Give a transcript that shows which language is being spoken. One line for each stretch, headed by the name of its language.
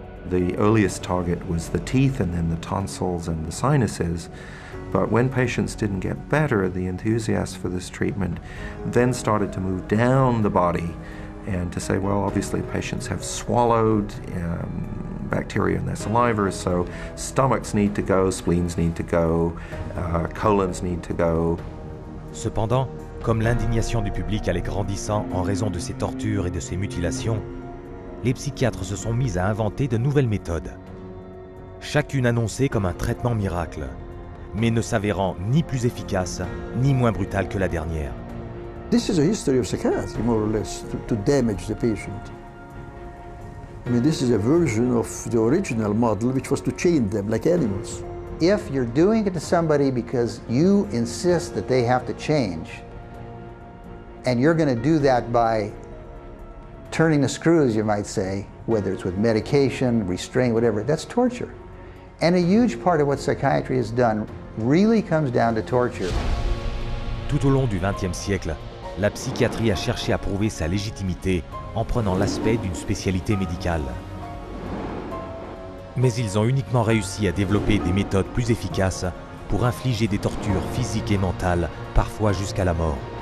English: The earliest target was the teeth and then the tonsils and the sinuses. But when patients didn't get better, the enthusiasts for this treatment then started to move down the body and to say, well, obviously patients have swallowed bacteria in their saliva, so stomachs need to go, spleens need to go, colons need to go.
French: Cependant, comme l'indignation du public allait grandissant en raison de ces tortures et de ces mutilations, les psychiatres se sont mis à inventer de nouvelles méthodes, chacune annoncée comme un traitement miracle, mais ne s'avérant ni plus efficace ni moins brutale que la dernière.
English: This is a history of psychiatry, more or less, to damage the patient. I mean, this is a version of the original model, which was to chain them like animals. If you're doing it to somebody because you insist that they have to change, and you're going to do that by turning the screws, you might say, whether it's with medication, restraint, whatever, that's torture. And a huge part of what psychiatry has done really comes down to torture.
French: Tout au long du 20e siècle, la psychiatrie a cherché à prouver sa légitimité en prenant l'aspect d'une spécialité médicale. Mais ils ont uniquement réussi à développer des méthodes plus efficaces pour infliger des tortures physiques et mentales, parfois jusqu'à la mort.